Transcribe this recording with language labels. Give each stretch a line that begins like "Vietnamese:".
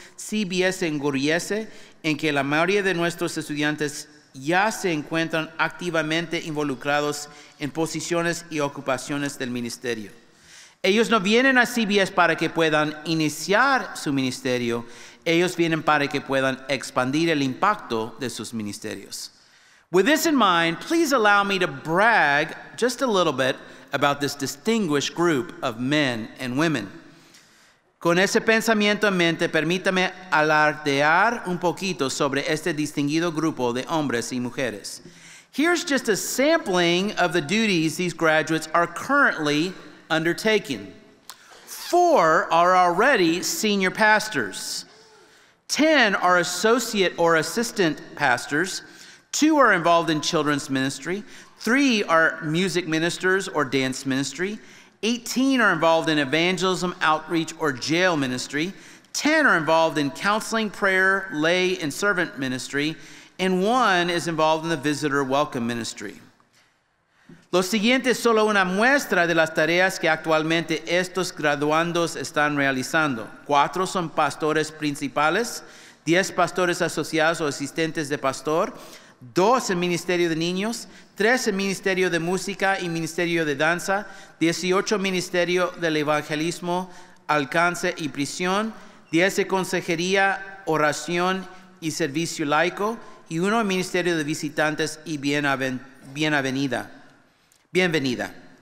Spanish: CBS se enorgullece en que la mayoría de nuestros estudiantes ya se encuentran activamente involucrados en posiciones y ocupaciones del ministerio. Ellos no vienen a CBS para que puedan iniciar su ministerio, ellos vienen para que puedan expandir el impacto de sus ministerios.
English: With this in mind, please allow me to brag just a little bit about this distinguished group of men and women.
Spanish: Con ese pensamiento en mente, permítame alardear un poquito sobre este distinguido grupo de hombres y mujeres.
English: Here's just a sampling of the duties these graduates are currently undertaking. 4 are already senior pastors. 10 are associate or assistant pastors. 2 are involved in children's ministry. 3 are music ministers or dance ministry. 18 are involved in evangelism, outreach, or jail ministry. 10 are involved in counseling, prayer, lay, and servant ministry. And 1 is involved in the visitor welcome ministry.
Spanish: Lo siguiente es solo una muestra de las tareas que actualmente estos graduandos están realizando. 4 son pastores principales, 10 pastores asociados o asistentes de pastor, 2 en Ministerio de Niños, 3 en Ministerio de Música y Ministerio de Danza, 18 Ministerio del Evangelismo, Alcance y Prisión, 10 en Consejería, Oración y Servicio Laico, y 1 en Ministerio de Visitantes y Bienvenida.